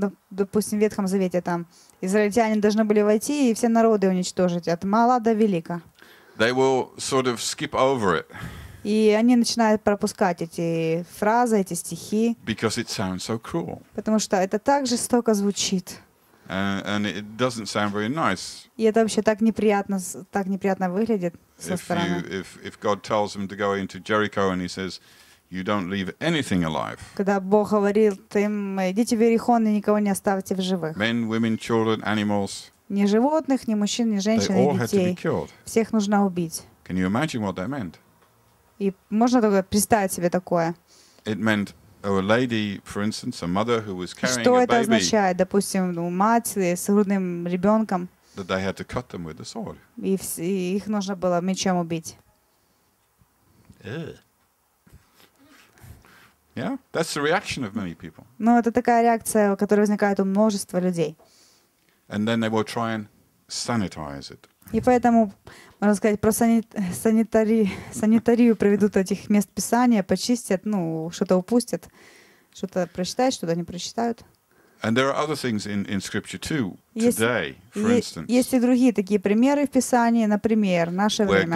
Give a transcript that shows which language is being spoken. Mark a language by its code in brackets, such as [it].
[ru] Допустим, в Ветхом Завете там израильтяне должны были войти и все народы уничтожить, от мала до велика. [en] They will sort of skip over it. [ru] И они начинают пропускать эти фразы, эти стихи. [en] Because it sounds so cruel. [ru] Потому что это так жестоко звучит. [en] And it doesn't sound very nice. [ru] И это вообще так неприятно выглядит со стороны. [en] If God tells them to go into Jericho and he says, you don't leave anything alive. [ru] Когда Бог говорил им, идите в Иерихон и никого не оставьте в живых. [en] Men, women, children, animals. [ru] Ни животных, ни мужчин, ни женщин, ни детей. Всех нужно убить. [en] Can you imagine what that meant? [ru] И можно только представить себе такое. [en] It meant a lady, for instance, a mother who was carrying a baby. [ru] Что это означает, допустим, мать с грудным ребенком? [en] That they had to cut them with a sword. [ru] И их нужно было мечом убить. Ugh. [en] Yeah, that's the reaction of many people. [ru] Ну, это такая реакция, которая возникает у множества людей. [en] And then they will try and sanitize it. [ru] И поэтому, можно сказать, про санитарию проведут этих мест писания, почистят, ну, что-то упустят, что-то прочитают, что-то не прочитают. [en] And there are other things in Scripture too today, for instance. [ru] Есть и другие такие примеры в Писании, например, наше время.